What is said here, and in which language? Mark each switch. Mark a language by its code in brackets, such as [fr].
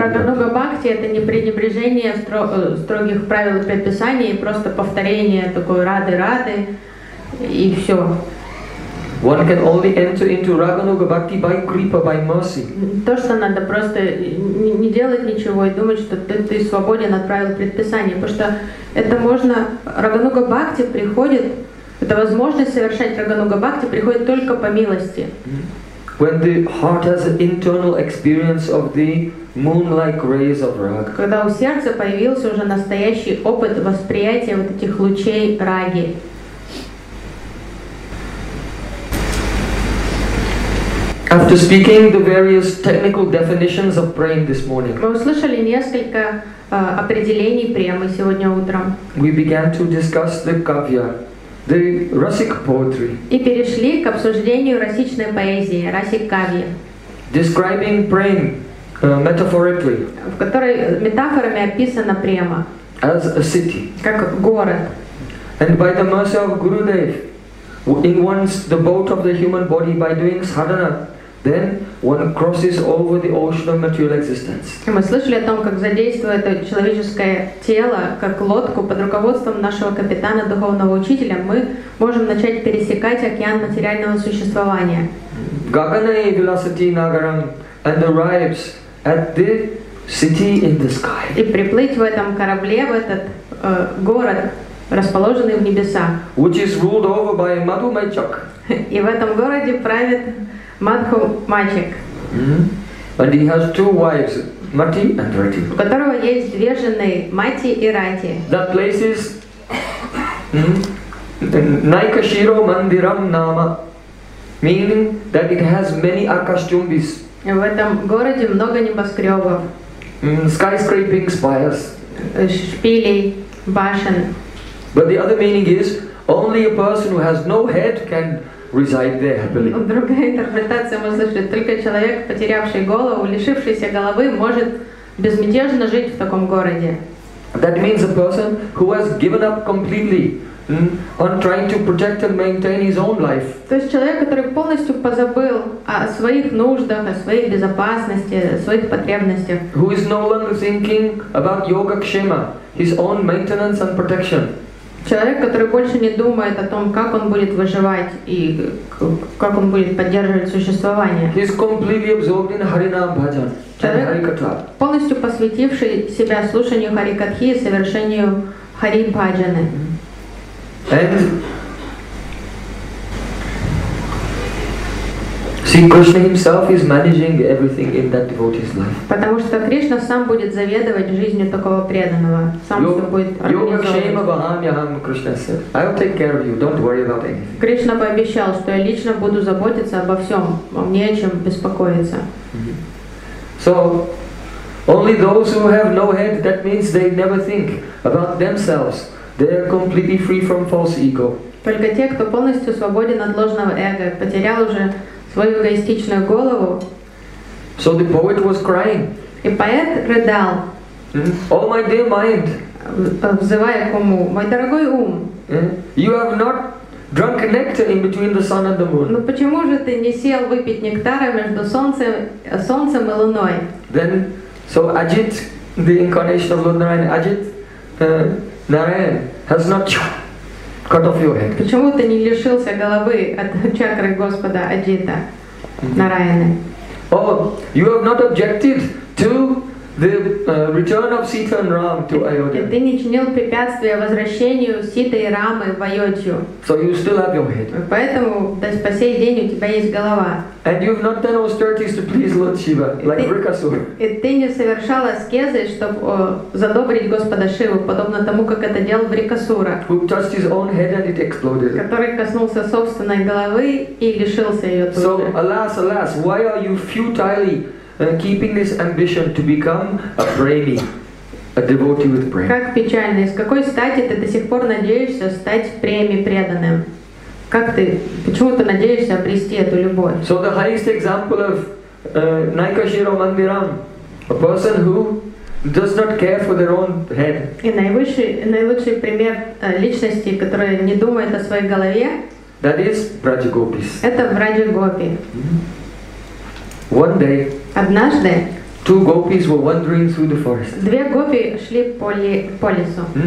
[ru] Рагануга Бхакти это не пренебрежение строгих правил и предписаний, просто повторение такой Рады Рады и все. [en] One can only enter into Raganuga Bhakti by Kripa, by mercy. [ru] То, что надо просто не делать ничего и думать, что ты свободен от правил предписания. Потому что это можно... Рагануга Бхакти приходит... Это возможность совершать Рагануга Бхакти приходит только по милости. [en] When the heart has an internal experience of the moon-like rays of Raga. [ru] Когда у сердца появился уже настоящий опыт восприятия вот этих лучей Раги. [en] After speaking the various technical definitions of prema this morning, [ru] мы услышали несколько определений премы сегодня утром. [en] We began to discuss the kavya, the rasic poetry. [ru] И перешли к обсуждению расичной поэзии, расик кавья. [en] Describing prema metaphorically, [ru] в которой метафорами описана према. [en] As a city. [ru] Как город. [en] And by the mercy of Gurudev, in one's the boat of the human body by doing sadhana, then one crosses over the ocean of material existence. [ru] Мы слышали о том, как задействует человеческое тело как лодку под руководством нашего капитана духовного учителя, мы можем начать пересекать океан материального существования. [sa] Gaganaye vilasati nagaram [en] and arrives at the city in the sky. [ru] И приплыть в этом корабле в этот город, расположенный в небесах. [en] Which is ruled over by Madhu Maichak. [ru] И в этом городе правит Мадху Мачик. Mm-hmm. [en] And he has two wives, Mati and Rati. [ru] У которого есть две жены, Мати и Рати. [en] That place is Naikashiro Mandiram Nama. meaning that it has many akashchumbis. [ru] В этом городе много небоскребов. [en] Skyscraping spires. [ru] Шпилей, башен. [en] But the other meaning is only a person who has no head can reside there happily. [ru] Другая интерпретация может быть, только человек, потерявший голову, лишившийся головы, может безмятежно жить в таком городе. [en] That means a person who has given up completely on trying to protect and maintain his own life. [ru] То есть человек, который полностью позабыл о своих нуждах, о своей безопасности, о своих потребностях. [en] Who is no longer thinking about yoga kshema, his own maintenance and protection. [ru] Человек, который больше не думает о том, как он будет выживать и как он будет поддерживать существование. [en] He is completely absorbed in Harinam Bhajan. [ru] Человек, полностью посвятивший себя слушанию Харикатхи и совершению Хари Бхаджаны. [en] And see, Krishna himself is managing everything in that devotee's life. [ru] Потому что Кришна сам будет заведовать жизнью такого преданного. Сам все будет организовывать. [en] I'll take care of you. Don't worry about anything. [ru] Кришна пообещал, что я лично буду заботиться обо всем. Мне о чем беспокоиться. [en] So only those who have no head, that means they never think about themselves. They are completely free from false ego. [ru] Только те, кто полностью свободен от ложного эго, потерял уже свою эгоистичную голову. [en] So the poet was crying. [ru] И поэт рыдал. [en] Oh my dear mind. [ru] Взывая к уму, мой дорогой ум. [en] You have not drunk nectar in between the sun and the moon. [ru] Но почему же ты не сел выпить нектара между солнцем и луной? [en] Then, so Ajit, the incarnation of Lord Narayan, Ajit, Narayan has not cut off your head. [ru] Почему ты не лишился головы от чакры Господа Аджита Нараяны? [en] Oh, you have not objected to the return of Sita and Ram to Ayodhya. [ru] Ты не чинил препятствия возвращению Ситы и Рамы в Айодхью. [en] So you still have your head. [ru] Поэтому до по сей день у тебя есть голова. [en] And you have not done austerities to please Lord Shiva, like Vrikasura. [ru] И ты не совершал аскезы, чтобы задобрить Господа Шиву, подобно тому, как это делал Врикасура. [en] Who touched his own head and it exploded. [ru] Который коснулся собственной головы и лишился ее тоже. [en] So alas, alas, why are you futilely keeping this ambition to become a Premi, a devotee with Prem? [ru] Как печально, из какой стати ты до сих пор надеешься стать Преми преданным? Как ты, почему ты надеешься обрести эту любовь? [en] So the highest example of Naikashiro Mandiram, a person who does not care for their own head. [ru] И наилучший пример личности, которая не думает о своей голове. [en] That is Vrajagopis. [ru] Это Vrajagopi. [en] One day. [ru] Однажды. [en] Two gopis were wandering through the forest. [ru] Две гопи шли по лесу.